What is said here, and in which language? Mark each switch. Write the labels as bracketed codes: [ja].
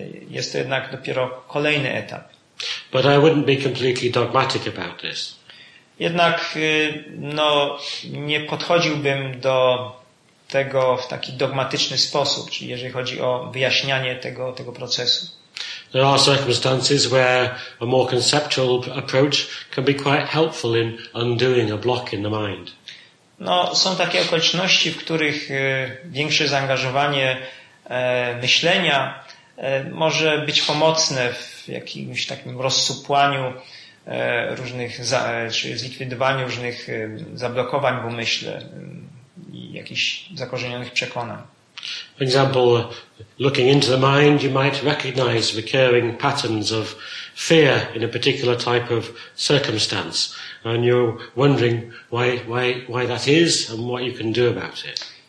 [pl] Jest to jednak dopiero kolejny etap. [en] But I wouldn't be completely dogmatic about this. [pl] Jednak nie podchodziłbym do tego w taki dogmatyczny sposób, czyli jeżeli chodzi o wyjaśnianie tego procesu. [en] There are circumstances where a more conceptual approach can be quite helpful in undoing a block in the mind. [pl] No, są takie okoliczności, w których większe zaangażowanie myślenia może być pomocne w jakimś takim rozsupłaniu różnych, czy zlikwidowaniu różnych zablokowań w umyśle i jakichś zakorzenionych przekonań. [en] For example, looking into the mind, you might recognize recurring patterns of fear in a particular type of circumstance, and you're wondering why that is and what you can do about it.